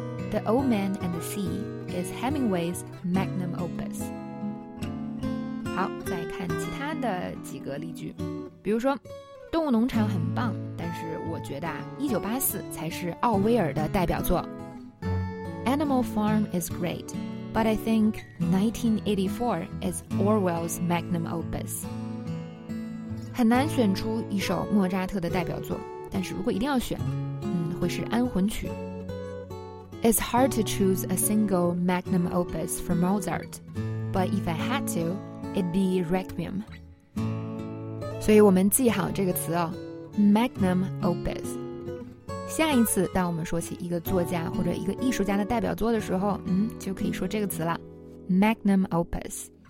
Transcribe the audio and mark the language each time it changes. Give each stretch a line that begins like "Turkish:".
English: The Old Man and the Sea is Hemingway's magnum opus。
Chinese: 好，再看其他的几个例句，比如说动物农场很棒，但是我觉得1984才是奥威尔的代表作。
English: Animal Farm is great, but I think 1984 is Orwell's magnum opus.
Chinese: 很难选出一首莫扎特的代表作，但是如果一定要选，会是安魂曲。
English: It's hard to choose a single magnum opus for Mozart, but if I had to, it'd be Requiem.
Chinese: 所以我们记好这个词哦 ,magnum opus。下一次当我们说起一个作家或者一个艺术家的代表作的时候，就可以说这个词了 ,magnum opus。